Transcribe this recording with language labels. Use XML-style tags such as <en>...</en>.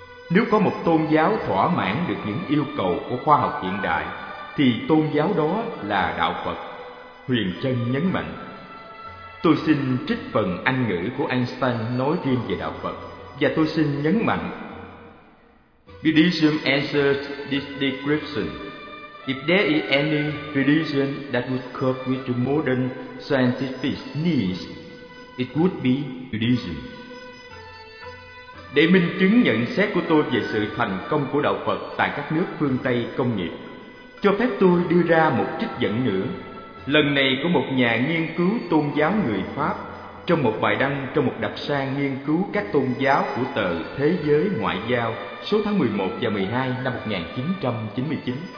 <vi>Nếu có một tôn giáo thỏa mãn được những yêu cầu của khoa học hiện đại, thì tôn giáo đó là đạo Phật. Huyền Chân nhấn mạnh. Tôi xin trích phần Anh ngữ của Einstein nói riêng về đạo Phật, và tôi xin nhấn mạnh:</vi> <en>Buddhism answers this description. If there is any religion that would cope with the modern scientific needs, it would be Buddhism.</en> <vi>Để minh chứng nhận xét của tôi về sự thành công của đạo Phật tại các nước phương Tây công nghiệp, cho phép tôi đưa ra một trích dẫn nữa, lần này của một nhà nghiên cứu tôn giáo người Pháp trong một bài đăng trong một đặc san nghiên cứu các tôn giáo của tờ Thế giới Ngoại giao số tháng 11 và 12 năm 1999.</vi>